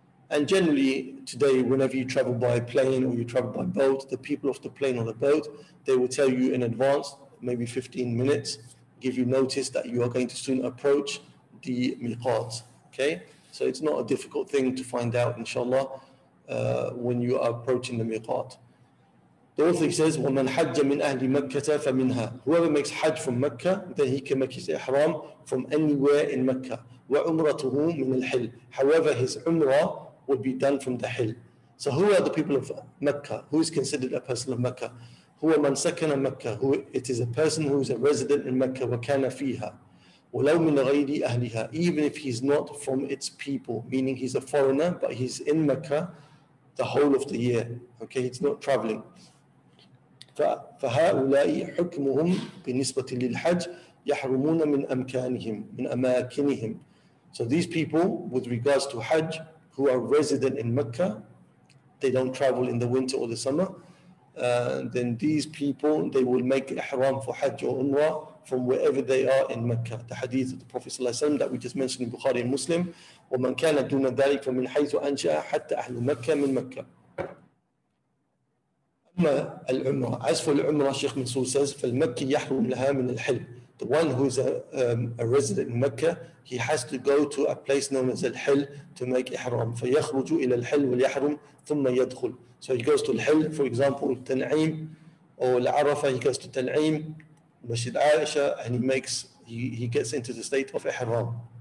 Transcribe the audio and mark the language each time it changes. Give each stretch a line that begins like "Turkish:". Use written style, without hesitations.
English: And generally today, whenever you travel by plane or you travel by boat, the people of the plane or the boat, they will tell you in advance, maybe 15 minutes, give you notice that you are going to soon approach the miqat. Okay? So it's not a difficult thing to find out, inshallah, when you are approaching the miqat. The author says,
Arabic: وَمَنْ حَجَّ مِنْ أَهْلِ مَكَّةَ فَمِنْهَا.
English: Whoever makes hajj from Mecca, then he can make his ihram from anywhere in Mecca.
Arabic: وَعُمْرَتُهُ مِنْ الْحِلْ.
English: However, his umrah would be done from the hill. So who are the people of Mecca? Who is considered a person of Mecca?
Arabic: هو من سكن مكة.
English: Who it is a person who is a resident in Mecca.
Arabic: وكان فيها ولو من غير أهلها.
English: Even if he's not from its people, meaning he's a foreigner, but he's in Mecca the whole of the year. Okay, he's not traveling.
Arabic: فهؤلاء حكمهم بالنسبة للحج يحرمون من أمكانهم من أماكنهم.
English: So these people, with regards to Hajj, who are resident in Mecca, they don't travel in the winter or the summer. Then these people, they will make ihram for Hajj or Umrah from wherever they are in Mecca. The hadith of the Prophet ﷺ that we just mentioned in Bukhari and Muslim.
Arabic: وَمَنْ كَانَ دُونَ ذَلِكَ فَمِنْ حَيْثُ أَنْشَأَ حَتَّى أَهْلُ مَكَّةَ مِنْ مَكَّةَ. أما العمرة.
English: As for العمرة, Sheikh Mansour says,
Arabic: فَالْمَكِّي يَحْرُمْ لَهَا مِنَ الْحِلْمِ.
English: The one who is a resident in Mecca, he has to go to a place known as Al-Hil to make ihram.
Arabic: فَيَخْرُجُ إِلَى الْحِلْ وَالْيَحْرُمْ ثُمَّ يَدْخُلْ.
English: So he goes to Al-Hil, for example, Tan'im, or Al-Arafah, he goes to Tan'im, Masjid Aisha, and he gets into the state of ihram.